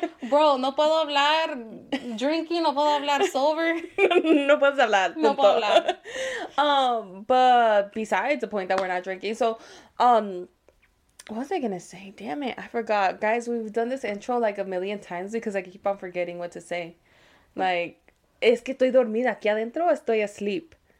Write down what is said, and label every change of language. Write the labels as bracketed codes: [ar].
[es] Bro, no puedo hablar [en] drinking, [es] no puedo hablar [en] sober. [es] No puedes hablar. Punto. No puedo hablar. [en] But besides the point that we're not drinking, so, what was I gonna say? Damn it, I forgot. Guys, we've done this intro like a million times because I keep on forgetting what to say. [es] Like, es que estoy dormida aquí adentro, estoy [en] asleep.